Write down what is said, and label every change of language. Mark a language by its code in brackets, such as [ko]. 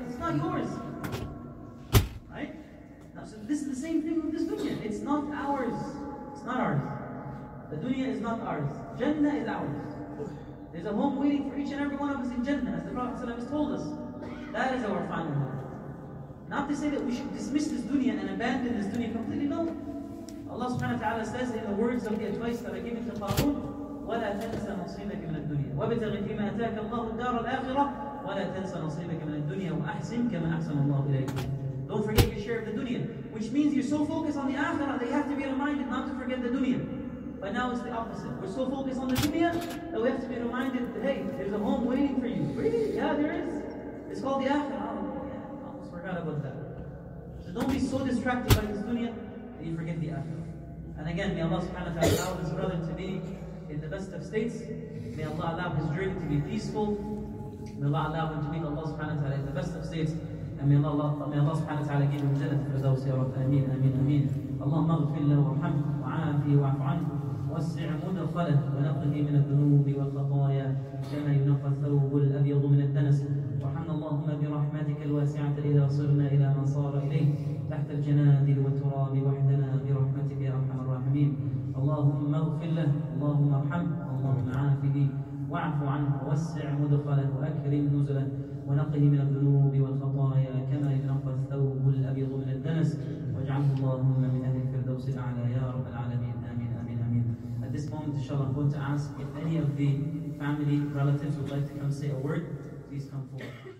[en] It's not yours. Right? Now, so this is the same thing with this dunya. It's not ours. It's not ours. The dunya is not ours. Jannah is ours. There's a home waiting for each and every one of us in Jannah, as the Prophet ﷺ has told us. That is our final home. Not to say that we should dismiss this dunya and abandon this dunya completely, no. Allah subhanahu wa ta'ala says in the words of the advice that I gave to Qarun, [ar] وَلَا تَنْسَ نَصِيبَكَ مِنَ الدُّنْيَا وَبِتَغِ فِي مَا أَتَاكَ اللَّهُ الدَّارَ الْآخِرَةَ وَلَا تَنْسَ نَصِيبَكَ مِنَ الدُّنْيَا وَأَحْسِنْ كَمَا أَحْسَنَ اللَّهُ إِلَيْكَ. [en] Don't forget your share of the dunya. Which means you're so focused on the akhirah that you have to be reminded not to forget the dunya. But now it's the opposite. We're so focused on the dunya that we have to be reminded that, hey, there's a home waiting for you. Really? Yeah, there is. It's called the akhirah. About that. So don't be so distracted by this dunya that you forget the akhirah. And again, may Allah subhanahu wa ta'ala allow this brother to be in the best of states. May Allah allow his journey to be peaceful. May Allah allow him to meet Allah subhanahu wa ta'ala in the best of states. And may Allah subhanahu wa ta'ala give him jannah for those who are of Ameen, Ameen, Ameen. [ar] Allahumma ghfir lahu warhamhu wa'afihi wa'fu anhu. وسع مدخله ونقه من الذنوب والخطايا كما ينقى الثوب الابيض من الدنس وارحمنا اللهم برحمتك الواسعه اذا صرنا الى من صار اليه تحت الجنادل والتراب وحدنا برحمتك يا ارحم الراحمين اللهم اغفر له اللهم ارحمه اللهم عافه واعف عنه وسع مدخله واكرم نزله ونقه من الذنوب والخطايا كما ينقى الثوب الابيض من الدنس واجعله اللهم من اهل الفردوس الاعلى يا رب العالمين. [en] At this moment, inshallah, I'm going to ask if any of the family relatives would like to come say a word, please come forward.